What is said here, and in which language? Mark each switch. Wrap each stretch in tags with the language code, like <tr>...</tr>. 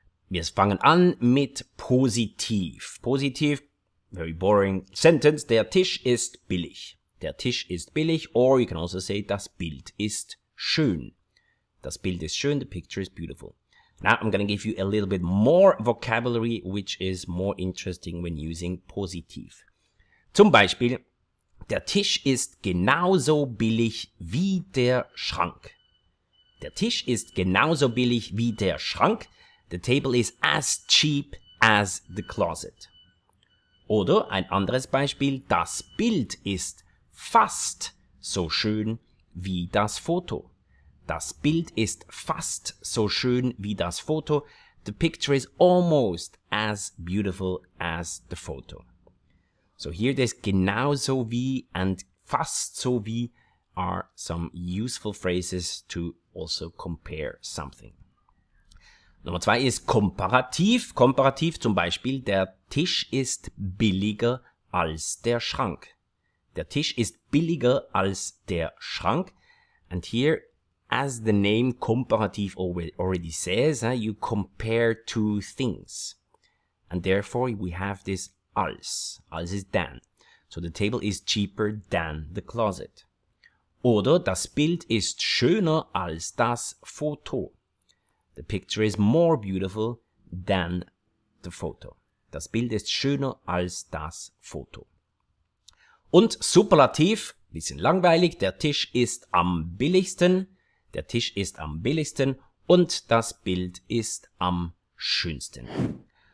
<de>Wir fangen an mit positiv. Positiv,</de> <en>very boring sentence.</en> <de>Der Tisch ist billig. Der Tisch ist billig,</de> <en>or you can also say,</en> <de>das Bild ist schön. Das Bild ist schön,</de> <en>the picture is beautiful. Now I'm gonna give you a little bit more vocabulary, which is more interesting when using positiv.</en> <de>Zum Beispiel, der Tisch ist genauso billig wie der Schrank. Der Tisch ist genauso billig wie der Schrank.</de> <en>The table is as cheap as the closet.</en> <de>Oder ein anderes Beispiel, das Bild ist fast so schön wie das Foto. Das Bild ist fast so schön wie das Foto.</de> <en>The picture is almost as beautiful as the photo. So here this genauso wie and fast so wie are some useful phrases to also compare something.</en> <de>Nummer zwei ist komparativ. Komparativ zum Beispiel, der Tisch ist billiger als der Schrank. Der Tisch ist billiger als der Schrank.</de> <en>And here, as the name komparativ already says, you compare two things. And therefore we have this als. Als is than. So the table is cheaper than the closet.</en> <de>Oder das Bild ist schöner als das Foto.</de> <en>The picture is more beautiful than the photo.</en> <de>Das Bild ist schöner als das Foto. Und superlativ, bisschen langweilig, der Tisch ist am billigsten. Der Tisch ist am billigsten und das Bild ist am schönsten.</de>